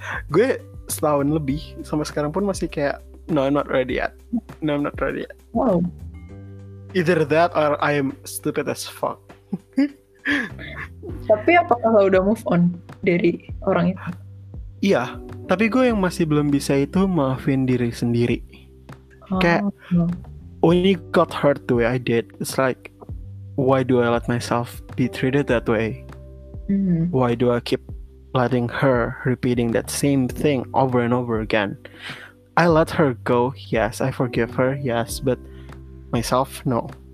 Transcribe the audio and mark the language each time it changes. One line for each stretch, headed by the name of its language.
Indonesian: Gue setahun lebih sampai sekarang pun masih kayak
English: No, I'm not ready yet. Wow. Either that or I am stupid as fuck.
Indonesian: Tapi apakah lo udah move on dari orang itu? Iya, tapi gue yang masih belum bisa itu maafin diri sendiri.
English: Oh. Kayak when you got hurt the way I did, it's like why do I let myself be treated that way? Mm-hmm. Why do I keep letting her repeating that same thing over and over again? I let her go, yes, I forgive her, yes, but myself, no.